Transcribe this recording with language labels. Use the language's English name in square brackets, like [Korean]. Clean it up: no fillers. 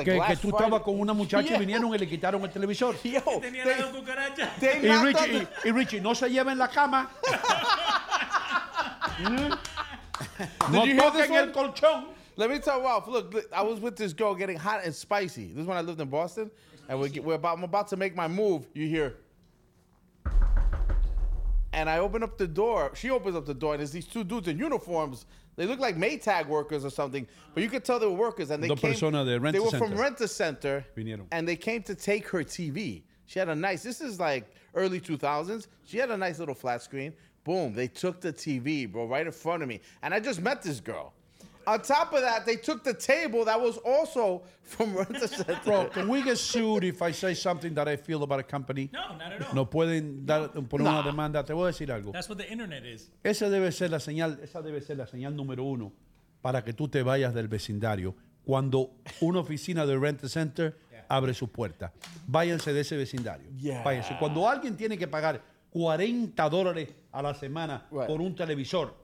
[Spanish] que tú estabas con una muchacha y vinieron y le quitaron el televisor. Yo, tenía la cucaracha. Y Richie, no se lleva en la cama. No toquen el colchón. [English] Let me tell Ralph, look, I was with this girl getting hot and spicy. This is when I lived in Boston. And I'm about to make my move. You hear. And I open up the door. She opens up the door, and there's these two dudes in uniforms. They look like Maytag workers or something. But you could tell they were workers. And they were from Rent-A-Center. And they came to take her TV. She had a nice, this is like early 2000s. She had a nice little flat screen. Boom, they took the TV, bro, right in front of me. And I just met this girl. On top of that, they took the table that was also from Rent-A-Center. Bro, can we get sued if I say something that I feel about a company? No, not at all. [Spanish] No pueden poner una demanda. Te voy a decir algo. [English] That's what the internet is. [Spanish] Esa debe ser la señal número uno para que tú te vayas del vecindario cuando una oficina de Rent-A-Center abre su puerta. Váyanse de ese vecindario. [English] Yeah. [Spanish] Váyanse. Cuando alguien tiene que pagar $40 a la semana por un televisor.